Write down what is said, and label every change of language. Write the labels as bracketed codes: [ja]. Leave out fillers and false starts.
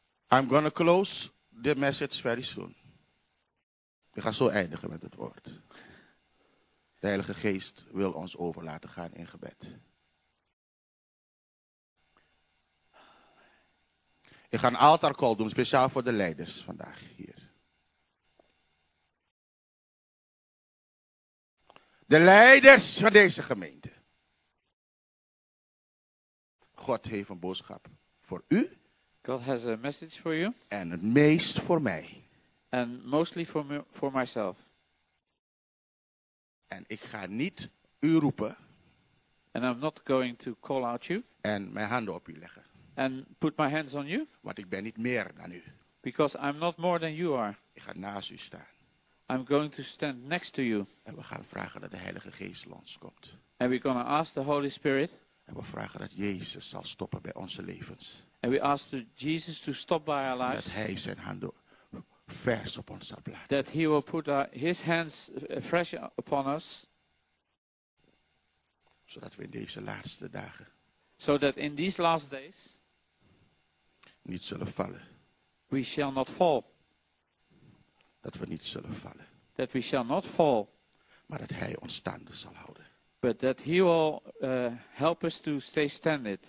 [en] I'm going to close the message very soon. [nl] Ik ga zo eindigen met het woord. De Heilige Geest wil ons over laten gaan in gebed. Ik ga een altar call doen, speciaal voor de leiders vandaag hier. De leiders van deze gemeente. God heeft een boodschap voor u. [en] God has a message for you. [nl] En het meest voor mij. [en] And mostly for myself. [nl] En ik ga niet u roepen. [en] And I'm not going to call out you. [nl] En mijn handen op u leggen. [en] And put my hands on you. [nl] Want ik ben niet meer dan u. [en] Because I'm not more than you are. [nl] Ik ga naast u staan. [en] I'm going to stand next to you. [nl] En we gaan vragen dat de Heilige Geest ons komt. [en] And we're going to ask the Holy Spirit. [nl] En we vragen dat Jezus zal stoppen bij onze levens. [en] And we ask Jesus to stop by our lives. [nl] Dat hij zijn handen vers op ons zal plaatsen. [en] That he will put his hands fresh upon us. [nl] Zodat we in deze laatste dagen. [en] So that in these last days. [nl] Niet zullen vallen. [en] We shall not fall. [nl] Dat we niet zullen vallen. [en] That we shall not fall. [nl] Maar dat hij ons staande zal houden. [en] But that he will help us to stay standing.